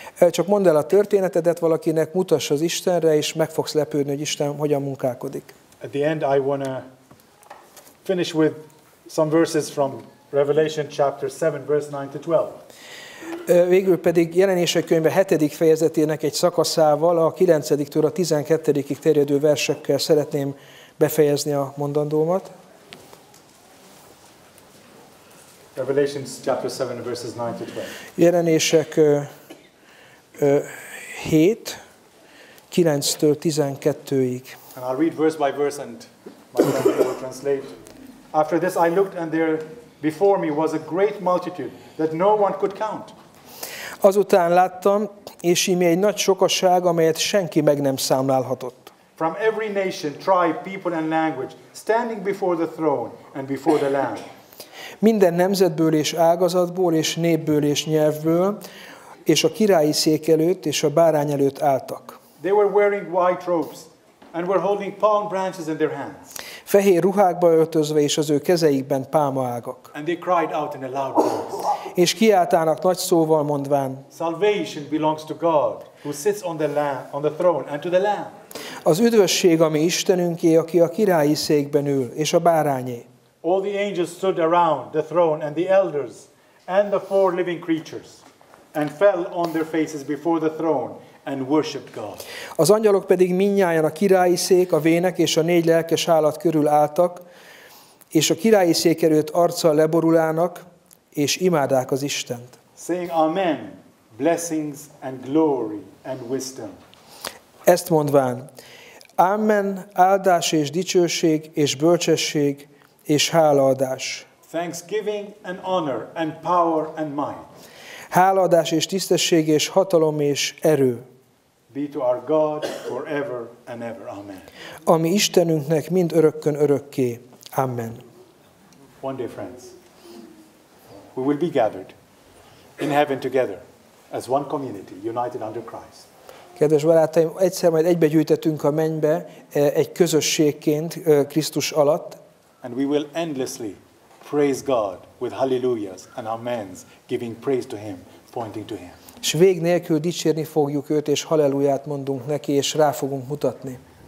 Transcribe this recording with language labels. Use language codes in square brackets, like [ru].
[hu] Csak mondd el a történetedet valakinek, mutass az Istenre, és meg fogsz lepődni, hogy Isten hogyan munkálkodik. [en] At the end I want to finish with some verses from Revelation chapter 7 verse 9 to 12. [hu] Végül pedig Jelenések könyve 7. fejezetének egy szakaszával, a 9-től a 12-ig terjedő versekkel szeretném befejezni a mondandómat. [en] Revelation chapter 7 verses 9 to 12. [hu] Jelenések 7 9-től 12-ig. [en] And I'll read verse by verse and my friend will translate. After this I looked and there before me was a great multitude that no one could count. [hu] Azután láttam, és íme egy nagy sokaság, amelyet senki meg nem számlálhatott. [en] From every nation, tribe, people and language standing before the throne and before the Lamb. [hu] Minden nemzetből és ágazatból és népből és nyelvből és a királyi szék előtt és a bárány előtt álltak. [en] They were wearing white robes and were holding palm branches in their hands. [hu] Fehér ruhákba öltözve és az ő kezeikben pálmaágak. [en] And they cried out in a loud voice. [hu] És kiáltának nagy szóval mondván. [en] Salvation belongs to God, who sits on the Lamb, on the throne and to the Lamb. [hu] Az üdvösség a mi Istenünké, aki a királyi székben ül és a bárányé. [en] All the angels stood around the throne and the elders and the four living creatures and fell on their faces before the throne and worshiped God. [hu] Az angyalok pedig mindnyájan a királyi szék, a vének és a négy lelkes állat körül álltak, és a királyi szék előtt arccal leborulának, és imádák az Istent. [en] Saying amen, blessings and glory and wisdom. [hu] Ezt mondván, amen, áldás és dicsőség és bölcsesség, és hálaadás. [en] Thanksgiving and honor and power and might. [hu] Hálaadás és tisztesség és hatalom és erő. [en] Be to our God forever and ever. Amen. [hu] A mi Istenünknek mind örökkön örökké. Amen. [en] One day, friends, we will be gathered in heaven together as one community, united under Christ. [hu] Kedves barátaim, egyszer majd egybegyűjtetünk a mennybe egy közösségként Krisztus alatt. [en] And we will endlessly praise God with hallelujahs and amens, giving praise to Him, pointing to Him. [hu] És vég nélkül dicsérni fogjuk őt, és hallelujahat mondunk neki, és rá fogunk mutatni.